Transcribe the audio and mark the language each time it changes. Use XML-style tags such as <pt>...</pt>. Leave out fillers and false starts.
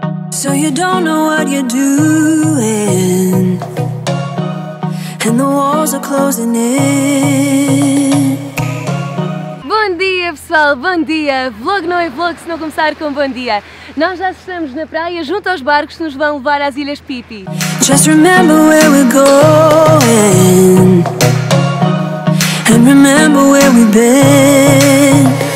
<en>So you don't know what you're doing, and the walls are closing in.</en> <pt>Bom dia, pessoal, bom dia. Vlog não é vlog se não começar com bom dia. Nós já estamos na praia junto aos barcos que nos vão levar às Ilhas Pipi.</pt> <en>Just remember where we're going, and remember where we've been.</en>